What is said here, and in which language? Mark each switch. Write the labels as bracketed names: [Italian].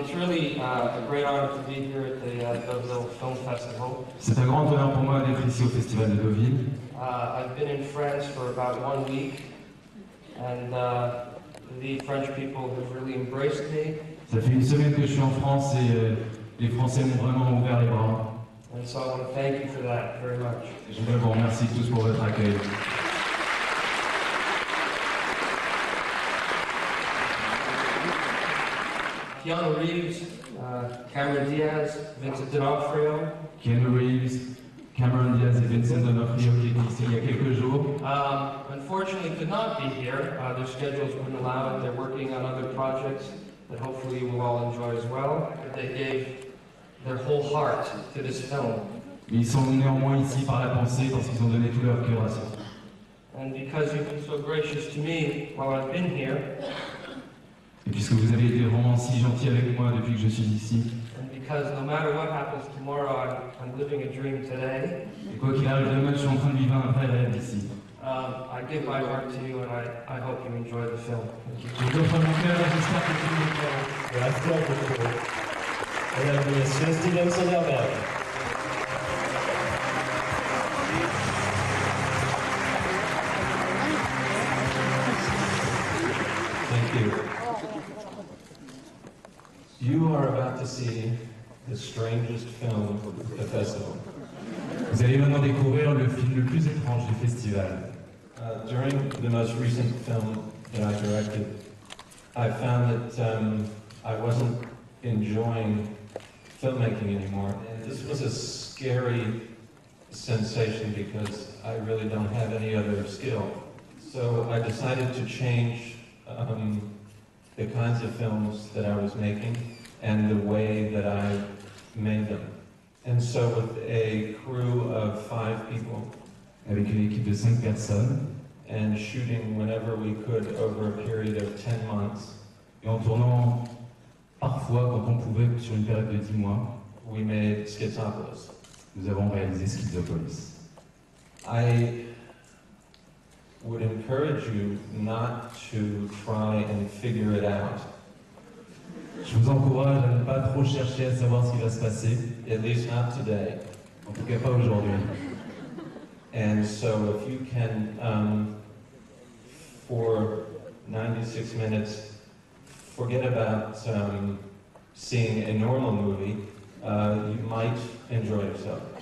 [English] It's really a great honor to be here at the Deauville Film Festival. [French] C'est un grand honneur pour moi d'être ici au Festival de Deauville. [English] I've been in France for about 1 week, and the French people have really embraced me. [French] Ça fait une semaine que je suis en France et les Français m'ont vraiment ouvert les bras. [English] And so I want to thank you for that very much. [French] Je veux vous remercier tous pour votre accueil. [English] Keanu Reeves, Cameron Diaz, Vincent D'Onofrio. [French] Keanu Reeves, Cameron Diaz et Vincent D'Onofrio qui étaient ici il y a quelques jours. [English] Unfortunately, could not be here. Their schedules wouldn't allow it. They're working on other projects that hopefully you will all enjoy as well. But they gave their whole heart to this film. [French] Ils sont néanmoins ici par la pensée parce qu'ils ont donné tout leur cœur à ça. [English] And because you've been so gracious to me while I've been here. [French] Et puisque vous avez été vraiment si gentil avec moi depuis que je suis ici. [English] And because no matter what happens tomorrow, I'm living a dream today. [French] Et quoi qu'il arrive demain, je suis en train de vivre un vrai rêve ici. [English] I give my heart to you and I hope you enjoy the film. [French] Je vous offre mon cœur et j'espère que tu m'aimes. Mesdames et Messieurs, Steven Soderbergh. [English] Thank you. You are about to see the strangest film of the festival. [French] Vous allez maintenant découvrir le film le plus étrange du festival. [English] During the most recent film that I directed, I found that I wasn't enjoying filmmaking anymore. And this was a scary sensation because I really don't have any other skill. So I decided to change the kinds of films that I was making and the way that I made them. And so with a crew of 5 people, [French] avec une équipe de 5 personnes, [English] and shooting whenever we could over a period of 10 months, [French] et en tournant parfois, quand on pouvait, sur une période de 10 mois, [English] we made SCHIZOPOLIS. [French] Nous avons réalisé SCHIZOPOLIS. [English] I would encourage you not to try and figure it out. [French] Je vous encourage à ne pas trop chercher à savoir ce qui va se passer. [English] At least not today. [French] En tout cas, pas aujourd'hui. [English] And so, if you can, for 96 minutes, forget about seeing a normal movie, you might enjoy yourself.